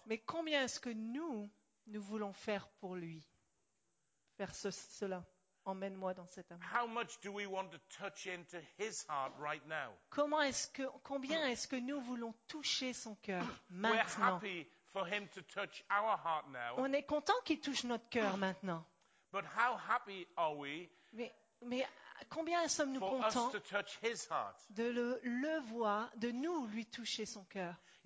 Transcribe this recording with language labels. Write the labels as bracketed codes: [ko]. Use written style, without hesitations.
[fr] Mais combien est-ce que nous voulons faire pour lui? Faire cela, emmène-moi dans cet amour. [en] How much do we want to touch into his heart right now? [fr] Combien est-ce que nous voulons toucher son cœur maintenant? [en] We're happy for him to touch our heart now. [fr] On est content qu'il touche notre cœur maintenant. [en] But how happy are we? [fr] Mais combien sommes-nous contents de le voir, de nous lui toucher son cœur.